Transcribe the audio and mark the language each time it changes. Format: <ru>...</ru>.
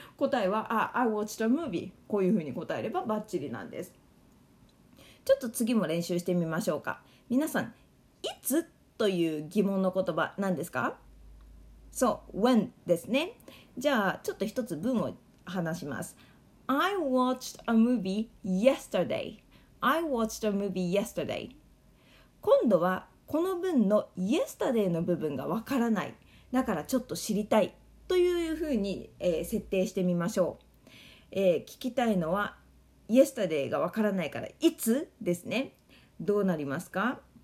<ja>答えは</ja> <en>I watched a movie、</en> <ja>こういうふうに答えればバッチリなんです。ちょっと次も練習してみましょうか。皆さん、いつという疑問の言葉何ですか？そう、 when ですね。じゃあちょっと一つ文を話します。</ja> <en>I watched a movie yesterday. I watched a movie yesterday.</en> <ja>今度はこの文の yesterday の部分がわからない、だからちょっと知りたいというふうに、設定してみましょう。聞きたいのは yesterday がわからないからいつですね。どうなりますか？</ja>